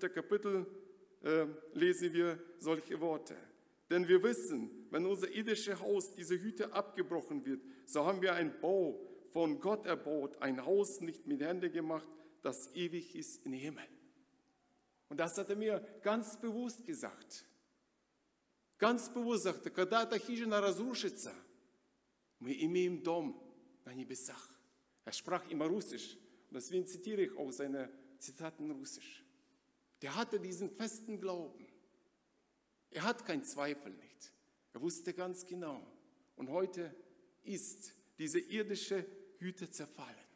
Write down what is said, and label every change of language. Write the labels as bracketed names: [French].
[German] Kapitel, lesen wir solche Worte. Denn wir wissen, wenn unser irdisches Haus, diese Hütte abgebrochen wird, so haben wir ein Bau von Gott erbaut, ein Haus nicht mit Händen gemacht, das ewig ist im Himmel. Und das hat er mir ganz bewusst gesagt. Ganz bewusst sagte, [Russian] когда ты хижи на разрушится, мы имеем дом на небесах. [German] Er sprach immer Russisch, deswegen zitiere ich auch seine Zitaten russisch. Der hatte diesen festen Glauben. Er hat keinen Zweifel nicht. Er wusste ganz genau. Und heute ist diese irdische Hütte zerfallen.